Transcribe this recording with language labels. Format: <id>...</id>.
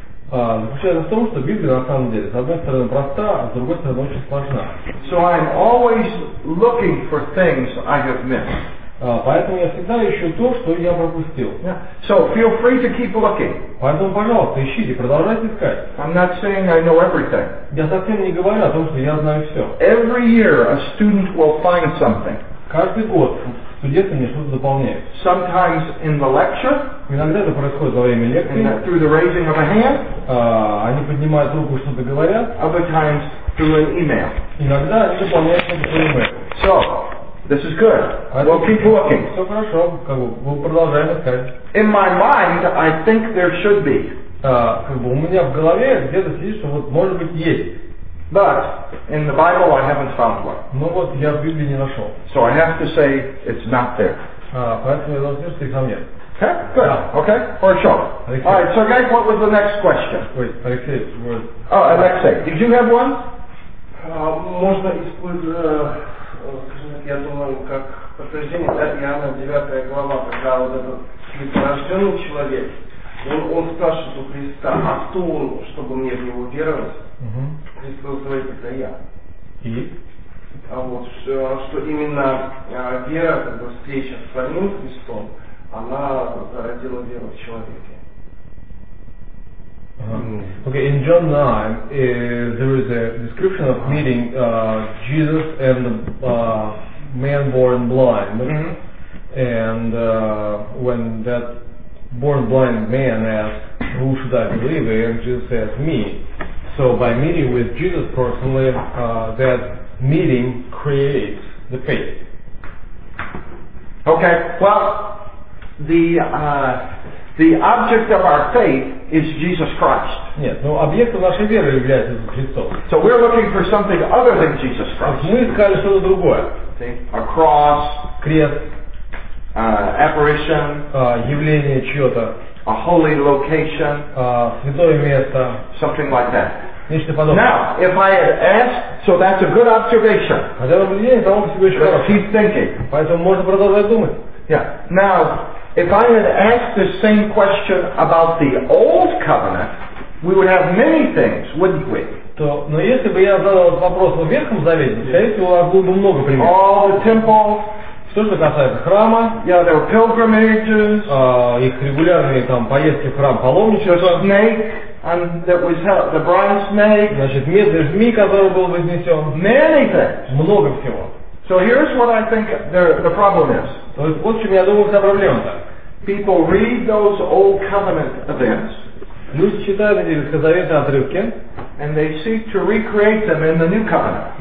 <ru>Заключается в том, что Библия на самом деле с одной стороны проста, а с другой стороны очень сложна.</ru> <en>So I'm always looking for things I have missed.</en> <ru>Поэтому я всегда ищу то, что я пропустил.</ru> <en>Yeah. So feel free to keep looking.</en> <ru>Поэтому, пожалуйста, ищите, продолжайте искать.</ru> <en>I'm not saying I know everything.</en> <ru>Я совсем не говорю о том, что я знаю все.</ru> <en>Every year a student will find something.</en> <ru>Каждый год студенты мне что-то дополняют.</ru> <en>Sometimes in the lecture.</en> <ru>Иногда это происходит во время лекции.</ru> <en>Through the raising of a hand.</en> <ru>Они поднимают руку, что-то говорят.</ru> <en>Other times through an email.</en> <ru>Иногда они дополняют что-то по email.</ru> <en>So, this is good. We'll keep looking.</en> <ru>Все хорошо, как бы, мы продолжаем искать.</ru> <en>In my mind, I think there should be.</en> <ru>Как бы у меня в голове где-то сидит, что вот может быть есть.</ru> <en>But in the Bible I haven't found one.</en> <ru>Ну вот я в Библии не нашел.</ru> <en>So I have to say it's not there.</en> <ru>Поэтому я должен сказать, что там нет.</ru> <en>Okay, good. Yeah. Okay, for sure. Alexei. All right. So, guys, what was the next question? Wait, Alexei. What? Oh, Alexei, did you have one?</en> <ru>Можно использовать, я думаю, как подтверждение, да, Иоанна 9 глава, когда вот этот нетворожденный человек, он спрашивает у Христа, а кто он, чтобы мне в него веровать? Христос говорит, это я. И? А вот что именно вера, как бы встреча с самим Христом, она зародила веру в человеке.</ru> <en>Okay, in John 9, there is a description of meeting Jesus and the man born blind. And when that born blind man asked, who should I believe in? And Jesus said, me. So by meeting with Jesus personally, that meeting creates the faith. Okay, well, the object of our faith is Jesus Christ.</en> <ru>Нет, но объектом нашей веры является Иисус Христос.</ru> <en>So we're looking for something other than Jesus Christ.</en> <ru>Мы искали что-то другое.</ru> <en>A cross.</en> <ru>Крест.</ru> <en>Apparition.</en> <ru>Явление чьё-то.</ru> <en>A holy location.</en> <ru>Святое место.</ru> <en>Something like that.</en> <ru>Нечто подобное.</ru> <en>Now, if I had asked, so that's a good observation. Keep thinking.</en> <ru>Поэтому можно продолжать думать.</ru> <en>Yeah. Now, if I had asked the same question about the old covenant, we would have many things, wouldn't we?</en> <ru>Но если бы я задал вопрос о Ветхом Завете, скорее всего, у вас было бы много примеров.</ru> <en>All the temples.</en> <ru>Что же касается храма,</ru> <en>yeah, there were pilgrimages,</en> <ru>их регулярные там поездки в храм, паломничество,</ru> <en>snake, and that was held, the bronze snake,</en> <ru>значит, медный змей, который был вознесен,</ru> <en>many things,</en> <ru>много всего.</ru> <en>So here's what I think the problem is.</en> <ru>То есть вот в чем я думаю, вся проблема-то.</ru> <en>People read those old covenant events.</en> <ru>Люди читают эти ветхозаветные отрывки,</ru> <en>And they seek to recreate them in the New Covenant.</en>